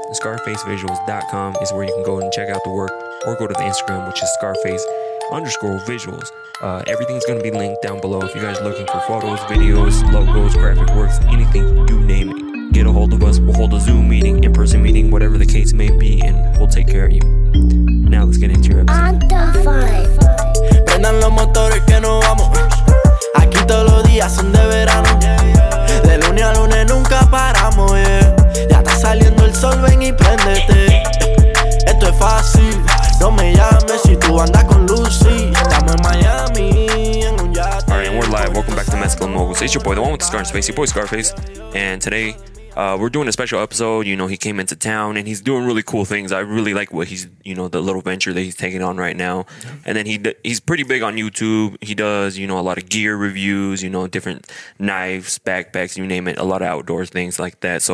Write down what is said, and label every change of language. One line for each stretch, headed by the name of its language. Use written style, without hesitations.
English: ScarfaceVisuals.com is where you can go and check out the work, or go to the Instagram, which is Scarface_Visuals. Everything's going to be linked down below. If you guys are looking for photos, videos, logos, graphic works, anything, you name it. Get a hold of us. We'll hold a Zoom meeting, in-person meeting, whatever the case may be, and we'll take care of you. Now let's get into your episode. I'm the fine.
Spanish: Prendan los motores que nos vamos. Aquí todos los días son de verano. De lunes a lunes nunca paramos, yeah. Ya está saliendo el sol, ven y préndete. Esto es fácil. No me llames si tú andas con Lucy. Estamos en Miami.
English: Live. Welcome back to Mescaline Moguls. It's your boy, the one with the scar and space, your boy Scarface. And today, we're doing a special episode. You know, he came into town and he's doing really cool things. I really like what he's, you know, the little venture that he's taking on right now. Yeah. And then he's pretty big on YouTube. He does, you know, a lot of gear reviews, you know, different knives, backpacks, you name it, a lot of outdoors, things like that.